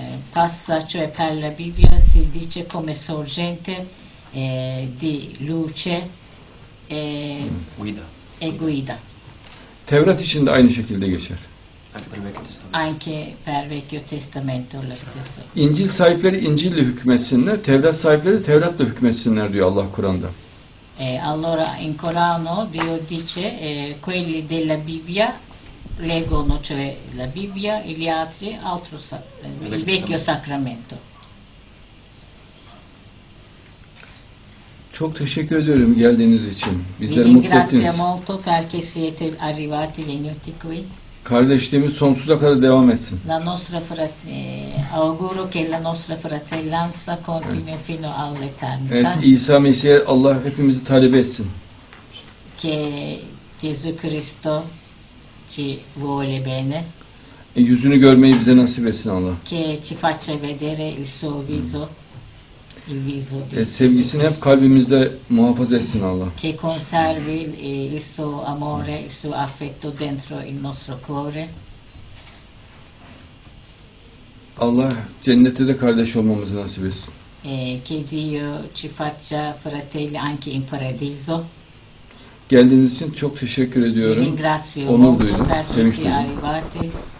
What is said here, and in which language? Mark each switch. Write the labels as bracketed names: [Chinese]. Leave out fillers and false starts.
[Italian] Passa cioè per la Bibbia si dice come sorgente di luce e guida. [Turkish] Tevrat için de aynı şekilde geçer. [Italian] Anche per Vecchio Testamento lo stesso. [Turkish] İncil sahipleri İncil'le hükmetsinler, Tevrat sahipleri Tevrat'la hükmetsinler diyor Allah Kur'an'da. [Italian] Allora in Corano Dio dice quelli della Bibbia leggono cioè la Bibbia e gli altri altro il Vecchio Sacramento. [Turkish] Çok teşekkür ediyorum geldiğiniz için. Bizleri mutlu ettiniz. [Italian] Grazie molto perché siete arrivati venuti qui. [Turkish] Kardeşliğimiz sonsuza kadar devam etsin. [Italian] La nostra auguro che la nostra fratellanza continui fino all'eternità. [Turkish] Evet, İsa Mesih'e Allah hepimizi talip etsin. [Italian] Che Gesù Cristo ci vuole bene. [Turkish] Yüzünü görmeyi bize nasip etsin Allah. [Italian] Che ci faccia vedere il suo viso. [Turkish] Sevgisini hep kalbimizde muhafaza etsin Allah. [Italian] Che conservi il suo amore, il suo affetto dentro il nostro cuore. [Turkish] Allah cennette de kardeş olmamızı nasip etsin. [Italian] Che Dio ci faccia fratelli anche in paradiso. [Turkish] Geldiğiniz için çok teşekkür ediyorum. [Italian] Ringrazio molto per essere arrivati.